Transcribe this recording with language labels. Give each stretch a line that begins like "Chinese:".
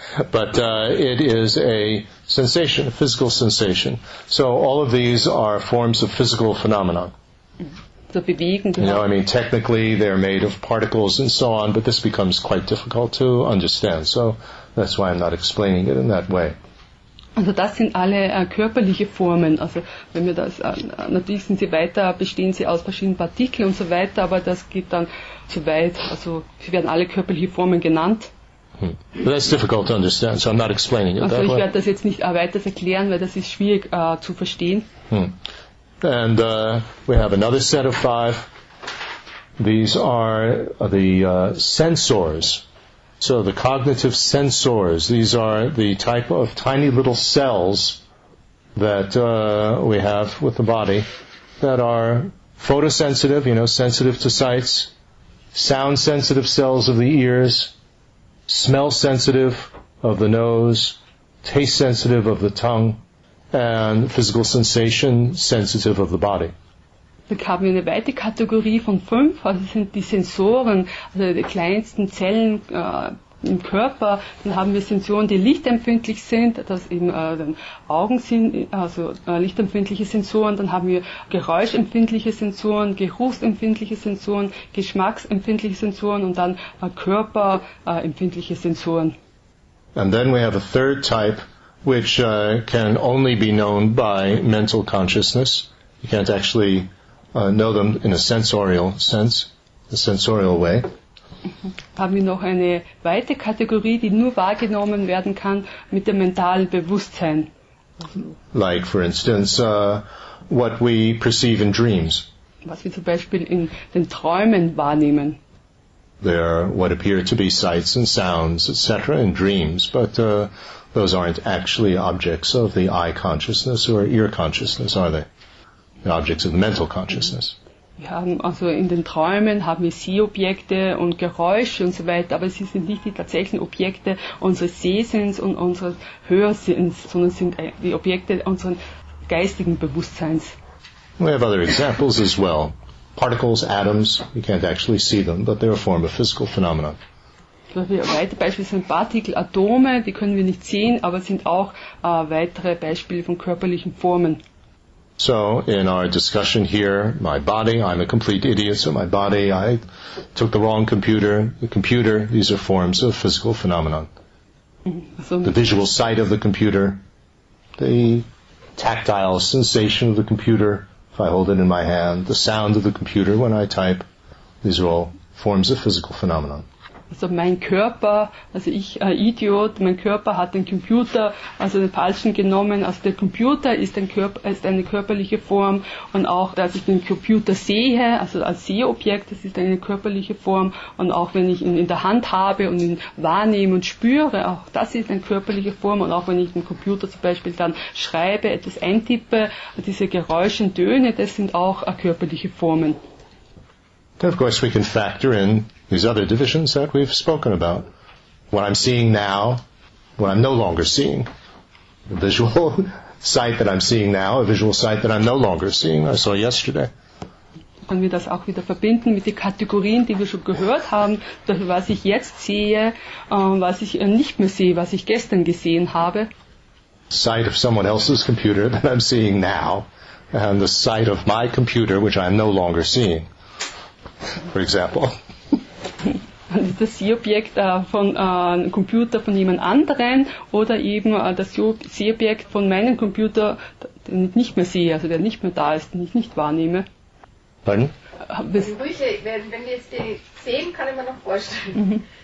English: But it is a sensation, a physical sensation. So all of these are forms of physical phenomenon. Technically they're made of particles and so on, but this becomes quite difficult to understand. So that's why I'm not explaining it in that way.
German: Also das sind alle körperliche Formen. Also wenn wir das natürlich sind sie weiter, bestehen sie aus verschiedenen Partikeln und so weiter, aber das geht dann zu weit. Also sie werden alle körperliche Formen genannt.
English: That's difficult to understand, so I'm not explaining it.
German: Also ich werde das jetzt nicht weiter erklären, weil das ist schwierig zu verstehen.
English: And we have another set of five. These are the sensors. So the cognitive sensors, these are the type of tiny little cells that we have with the body that are photosensitive, you know, sensitive to sights, sound-sensitive cells of the ears, smell-sensitive of the nose, taste-sensitive of the tongue, and physical sensation sensitive of the body.
German: Dann haben wir eine weite Kategorie von fünf, also sind die Sensoren, also die kleinsten Zellen im Körper. Dann haben wir Sensoren, die lichtempfindlich sind, das eben den Augen sind, also lichtempfindliche Sensoren. Dann haben wir geräuschempfindliche Sensoren, geruchsempfindliche Sensoren, geschmacksempfindliche Sensoren und dann körperempfindliche Sensoren.
English: And then we have a third type, which can only be known by mental consciousness. You can't actually know them in a sensorial sense, a sensorial way.
German: Haben wir noch eine weite Kategorie, die nur wahrgenommen werden kann mit dem mentalen Bewusstsein.
English: Like, for instance, what we perceive in dreams.
German: Was wir zum Beispiel in den Träumen wahrnehmen.
English: There are what appear to be sights and sounds, etc., in dreams, but those aren't actually objects of the eye consciousness or ear consciousness, are they? They're objects of mental consciousness.
German: Wir haben also in den Träumen haben wir Sehobjekte und Geräusche und so weiter, aber sie sind nicht die tatsächlichen Objekte unseres Sehsinns und unseres Hörsinns, sondern sind die Objekte unseres geistigen Bewusstseins.
English: We have other examples as well. Particles, atoms, you can't actually see them, but they're a form of physical phenomenon.
German: Weitere Beispiele sind Partikel, Atome, die können wir nicht sehen, aber sind auch weitere Beispiele von körperlichen Formen.
English: So, in our discussion here, my body, I'm a complete idiot, so my body, I took the wrong computer, the computer, these are forms of physical phenomenon. So, the visual sight of the computer, the tactile sensation of the computer, if I hold it in my hand, the sound of the computer when I type, these are all forms of physical phenomenon.
German: Also mein Körper, also ich, Idiot, mein Körper hat den Computer, also den falschen genommen. Also der Computer ist, ist eine körperliche Form und auch, dass ich den Computer sehe, also als Sehobjekt, das ist eine körperliche Form. Und auch wenn ich ihn in der Hand habe und ihn wahrnehme und spüre, auch das ist eine körperliche Form. Und auch wenn ich den Computer zum Beispiel dann schreibe, etwas eintippe, diese Geräusche, Töne, das sind auch körperliche Formen.
English: Of course, we can factor in these other divisions that we've spoken about. What I'm seeing now, what I'm no longer seeing. The visual sight that I'm seeing now, a visual sight that I'm no longer seeing, I saw yesterday.
German: Können wir das auch wieder verbinden mit den Kategorien, die wir schon gehört haben, was ich jetzt sehe, was ich nicht mehr sehe, was ich gestern gesehen habe.
English: Sight of someone else's computer that I'm seeing now, and the sight of my computer, which I'm no longer seeing. For example.
German: Das Sehobjekt von einem Computer von jemand anderen oder eben das Sehobjekt von meinem Computer, den ich nicht mehr sehe, also der nicht mehr da ist, den ich nicht wahrnehme.
English: Pardon?
German: Gerüche, wenn wir jetzt die sehen, kann ich mir noch vorstellen.